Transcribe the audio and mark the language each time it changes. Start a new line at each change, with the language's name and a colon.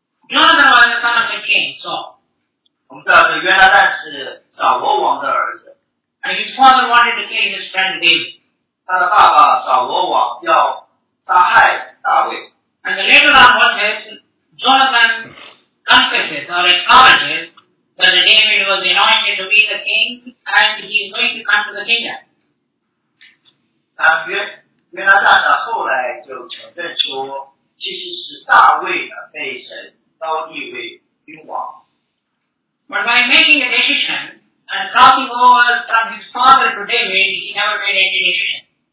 English: Jonathan was the son of the king, so.
Chinese: 我们知道是约拿单是扫罗王的儿子。
English: And his father wanted to kill his friend David.
Chinese: 他的爸爸扫罗王要杀害大卫。
English: And later on, what says, Jonathan confesses or acknowledges that David was anointed to be the king and he is going to come to the kingdom.
Chinese: 约拿单后来就承认说，其实是大卫的被神。
English: But by making a decision and crossing over from his father to David, he never made any decision.